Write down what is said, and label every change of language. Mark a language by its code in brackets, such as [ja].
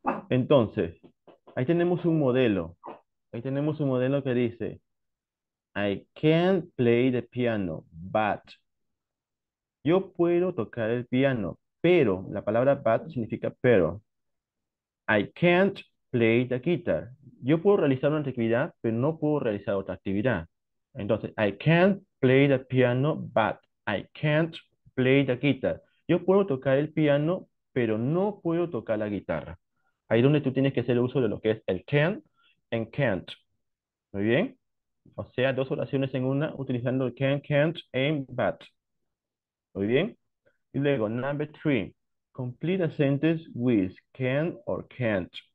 [es] Entonces, ahí tenemos un modelo. Ahí tenemos un modelo que dice, [en] I can play the piano, but. [es] Yo puedo tocar el piano, pero. La palabra but significa pero. [en] I can't play the guitar. [es] Yo puedo realizar una actividad, pero no puedo realizar otra actividad. Entonces, [en] I can't play the piano, but I can't play the guitar. [es] Yo puedo tocar el piano, pero no puedo tocar la guitarra. Ahí es donde tú tienes que hacer uso de lo que es el can and can't. ¿Muy bien? O sea, dos oraciones en una, utilizando el can, can't, and but. ¿Muy bien? Y luego, [en] number three. Complete a sentence with can or can't.